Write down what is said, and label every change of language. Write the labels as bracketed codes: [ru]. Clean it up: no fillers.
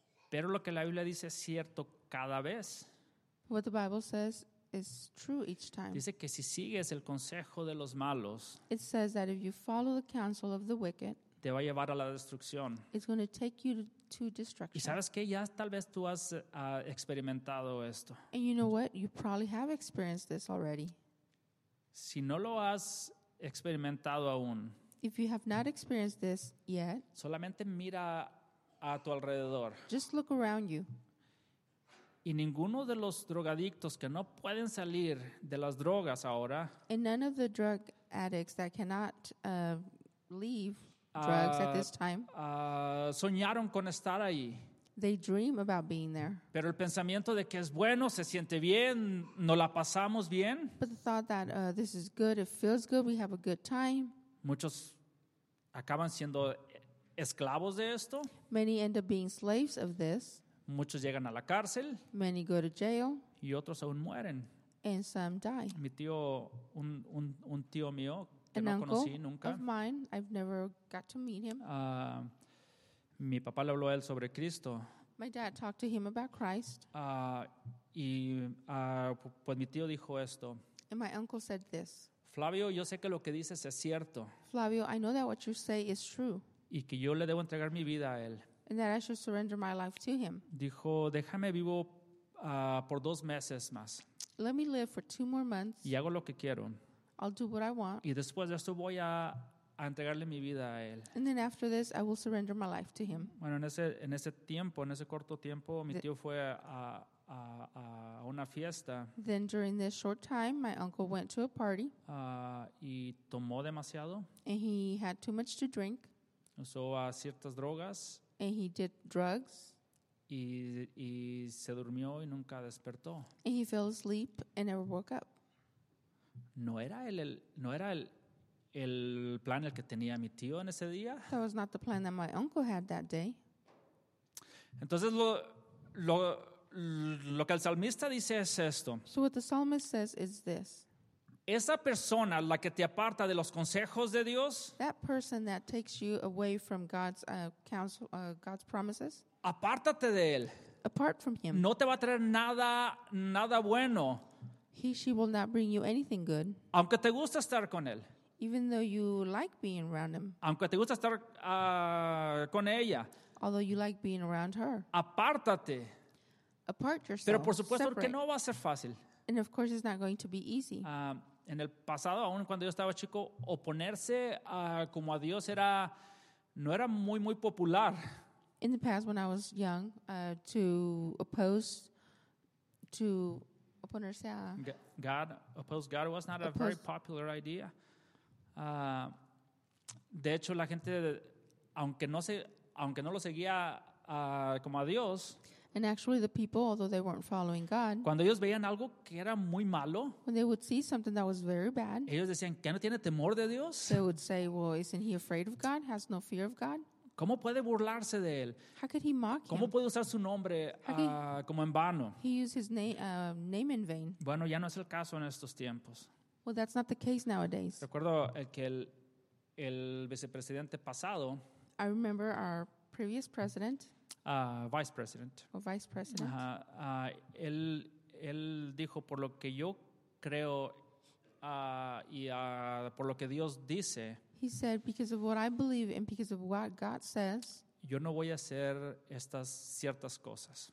[es] Pero lo que la Biblia dice es cierto cada vez. [en] What the Bible says is true each time. [es] Dice que si sigues el consejo de los malos, [en] it says that if you follow the counsel of the wicked, [es] te va a llevar a la destrucción. [en] It's going to take you to destruction. [es] Y sabes que ya tal vez tú has experimentado esto. [en] And you know what? You probably have experienced this already. [es] Si no lo has experimentado aún, [en] if you have not experienced this yet, [es] solamente mira a tu alrededor. [en] Just look around you. [es] Y ninguno de los drogadictos que no pueden salir de las drogas ahora, [en] and none of the drug addicts that cannot leave drugs at this time, [es] soñaron con estar ahí. [en] They dream about being there. [es] Pero el pensamiento de que es bueno, se siente bien, no la pasamos bien. [en] But the thought that this is good, it feels good, we have a good time. [es] Muchos acaban siendo esclavos de esto. [en] Many end up being slaves of this. [es] Muchos llegan a la cárcel. [en] Many go to jail. [es] Y otros aún mueren. [en] And some die. [es] Mi tío, un tío mío que [en] an [es] no conocí nunca. [en] Of mine, I've never got to meet him. [es] Mi papá le habló a él sobre Cristo. [en] My dad talked to him about Christ. [es] Pues mi tío dijo esto. [en] And my uncle said this. [es] Flavio, yo sé que lo que dices es cierto. [en] Flavio, I know that what you say is true. [es] Y que yo le debo entregar mi vida a él. [en] And that I should surrender my life to him. [es] Dijo, déjame vivo por 2 meses más. [en] Let me live for 2 more months. [es] Y hago lo que quiero. [en] I'll do what I want. [es] Y después de esto voy a entregarle mi vida a él. [en] And then after this, I will surrender my life to him. [es] Bueno, en ese tiempo, en ese corto tiempo, mi tío fue a una fiesta. [en] Then during this short time, my uncle went to a party. [es] Y tomó demasiado. [en] And he had too much to drink. [es] Usó ciertas drogas. [en] And he did drugs. [es] Y se durmió y nunca despertó. [en] And he fell asleep and never woke up. [es] No era el plan el que tenía mi tío en ese día. [en] That was not the plan that my uncle had that day. [es] Entonces lo que el salmista dice es esto. [en] So what the psalmist says is this. [es] Esa persona la que te aparta de los consejos de Dios, [en] that person that takes you away from God's counsel, God's promises, [es] apártate de él. [en] Apart from him. [es] No te va a traer nada bueno. [en] He, she will not bring you anything good. [es] Aunque te gusta estar con él. [en] Even though you like being around him. [es] Aunque te gusta estar con ella. [en] Although you like being around her. [es] Apártate. [en] Apart yourself. [es] Pero por supuesto, separate. Porque no va a ser fácil. [en] And of course it's not going to be easy. [es] En el pasado, aun cuando yo estaba chico, oponerse como a Dios era, no era muy muy popular. [en] In the past when I was young, to oppose God was not a very popular idea. [es] De hecho la gente, aunque no lo seguía como a Dios, [en] and actually the people, although they weren't following God, [es] cuando ellos veían algo que era muy malo, [en] when they would see something that was very bad, [es] ellos decían, ¿qué no tiene temor de Dios? [en] They would say, well, isn't he afraid of God? Has no fear of God? [es] ¿Cómo puede burlarse de él? [en] How could he mock [es] ¿Cómo [en] him? [es] Puede usar su nombre como en vano? [en] He used his name in vain. [es] Bueno, ya no es el caso en estos tiempos. [en] Well, that's not the case nowadays. [es] Recuerdo que el vicepresidente pasado, [en] I remember our previous president, Vice President. Or Vice President. [es] Él dijo, por lo que yo creo y por lo que Dios dice, [en] he said, because of what I believe and because of what God says, [es] yo no voy a hacer estas ciertas cosas.